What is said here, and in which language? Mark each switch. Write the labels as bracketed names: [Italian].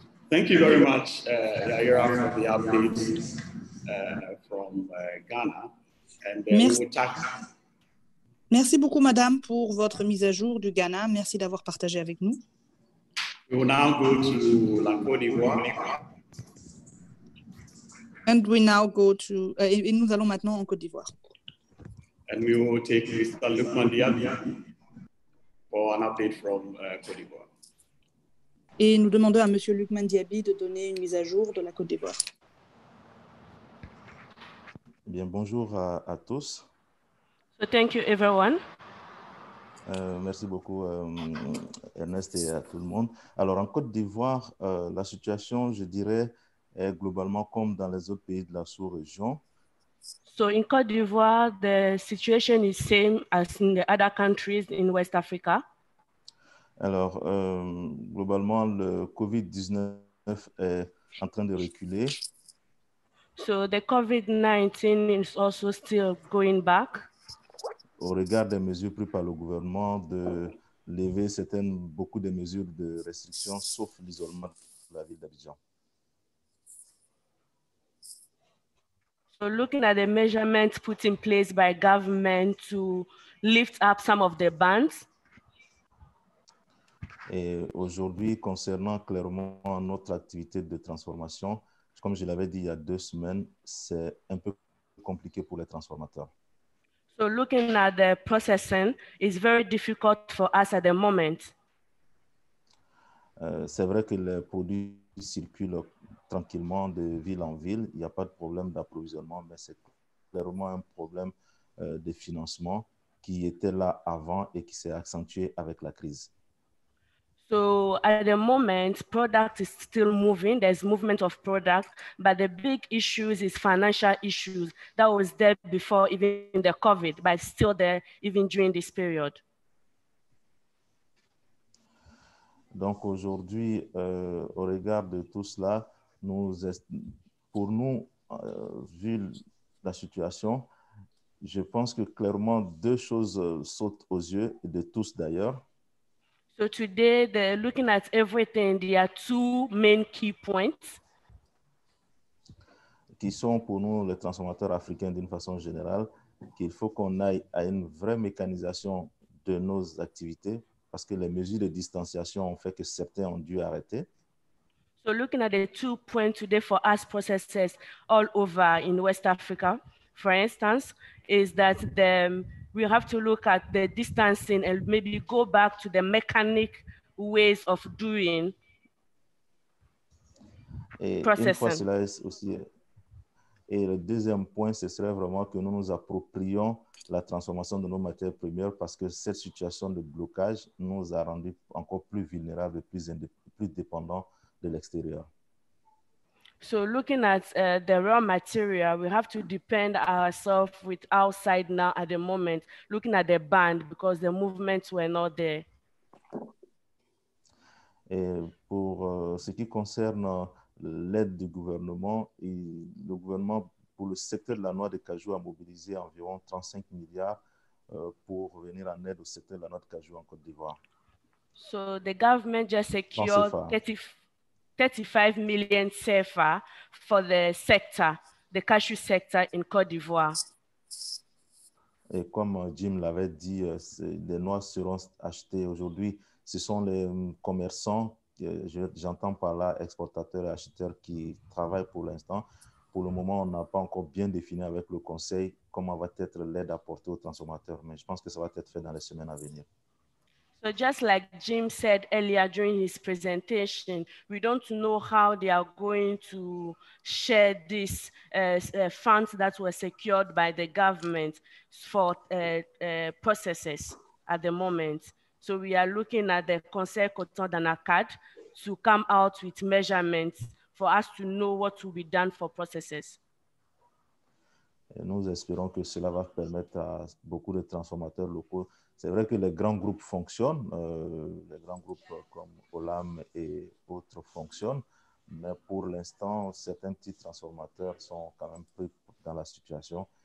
[English] Thank you very much, Yair, for the updates from Ghana. [French] Merci beaucoup, Madame, pour votre mise à jour du Ghana. Merci d'avoir partagé avec nous. [English] We will now go to La Côte d'Ivoire. And we now go to, [French] et nous allons maintenant en Côte d'Ivoire. [English] And we will take Mr. Lukman Diabia for an update from Côte d'Ivoire. [French] Et nous demandons à Monsieur Lukman Diabia de donner une mise à jour de la Côte d'Ivoire. Eh bien, bonjour à tous. [English] So thank you, everyone. [French] Merci beaucoup, Ernest, et à tout le monde. Alors, en Côte d'Ivoire, la situation, je dirais, est globalement comme dans les autres pays de la sous-région. [English] So, in Côte d'Ivoire, the situation is same as in the other countries in West Africa. [French] Alors, globalement, le COVID-19 est en train de reculer. [English] So, the COVID-19 is also still going back. [French] Au regard des mesures prises par le gouvernement de lever certaines, beaucoup de mesures de restriction, sauf l'isolement de la ville d'Abidjan. [English] So looking at the measurements put in place by government to lift up some of the bans. [French] Et aujourd'hui, concernant clairement notre activité de transformation, comme je l'avais dit il y a 2 semaines, c'est un peu compliqué pour les transformateurs. [English] So looking at the processing is very difficult for us at the moment. [French] C'est vrai que les produits circulent tranquillement de ville en ville. Il n'y a pas de problème d'approvisionnement, mais c'est clairement un problème de financement qui était là avant et qui s'est accentué avec la crise. [English] So at the moment, product is still moving. There's movement of product, but the big issues is financial issues that was there before even the COVID, but still there even during this period. [French] Donc aujourd'hui, au regard de tout cela, vu la situation, je pense que clairement deux choses sautent aux yeux de tous d'ailleurs. [English] So today, looking at everything, there are 2 main key points. [French] Qui sont pour nous les transformateurs africains d'une façon générale, qu'il faut qu'on aille à une vraie mécanisation de nos activités, parce que les mesures de distanciation ont fait que certains ont dû arrêter. [English] So looking at the 2 points today for us processes all over in West Africa, for instance, is that we have to look at the distancing and maybe go back to the mechanic ways of doing processing. [French] Et le deuxième point, ce serait vraiment que nous nous approprions la transformation de nos matières premières parce que cette situation de blocage nous a rendu encore plus vulnérables et plus dépendants de l'extérieur. [English] So looking at the raw material, we have to depend ourselves with outside now at the moment, looking at the band because the movements were not there. [French] Et pour ce qui concerne l'aide du gouvernement, le gouvernement pour le secteur de la noix de cajou a mobilisé environ 35 milliards pour venir en aide au secteur de la noix de cajou en Côte d'Ivoire. [English] So the government just secured 35 million CFA for the sector, the cashew sector in Côte d'Ivoire. [French] Et comme Jim l'avait dit, des noix seront achetées aujourd'hui. Ce sont les commerçants, j'entends par là exportateurs et acheteurs qui travaillent pour l'instant. Pour le moment, on n'a pas encore bien défini avec le conseil comment va être l'aide apportée aux transformateurs, mais je pense que ça va être fait dans les semaines à venir. [English] So just like Jim said earlier during his presentation, we don't know how they are going to share this funds that were secured by the government for processes at the moment. So we are looking at the Conseil Coton d'Anacard to come out with measurements for us to know what will be done for processes. [French] Et nous espérons que cela va permettre à beaucoup de transformateurs locaux. C'est vrai que les grands groupes fonctionnent, les grands groupes comme Olam et autres fonctionnent, mais pour l'instant, certains petits transformateurs sont quand même pris dans la situation.